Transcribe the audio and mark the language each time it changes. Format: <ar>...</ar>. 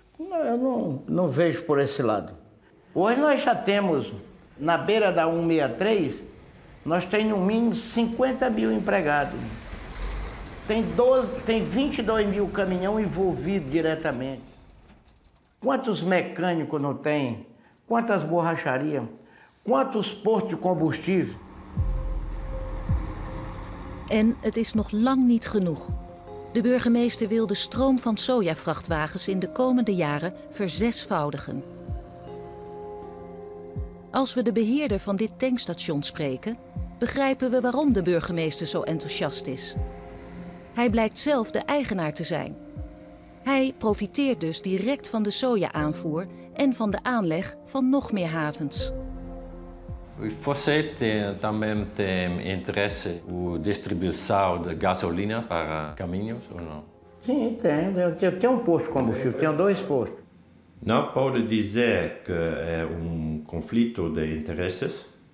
<pt>Não, eu não vejo por esse lado. Hoje nós já temos, na beira da 163, nós temos no mínimo 50 mil empregados. Tem 22 mil caminhão envolvidos diretamente. Quantos mecânicos não tem? Quantas borracharias? Quantos portos de combustível?</pt> <nl>En het is nog lang niet genoeg. De burgemeester wil de stroom van sojavrachtwagens in de komende jaren verzesvoudigen. Als we de beheerder van dit tankstation spreken, begrijpen we waarom de burgemeester zo enthousiast is. Hij blijkt zelf de eigenaar te zijn. Hij profiteert dus direct van de soja-aanvoer en van de aanleg van nog meer havens.</nl> <pt>Você também tem interesse na distribuição de gasolina para caminhos ou não? Sim, tenho. Eu tenho posto de combustível, tenho 2 postos. Não pode dizer que é conflito de interesses?</pt>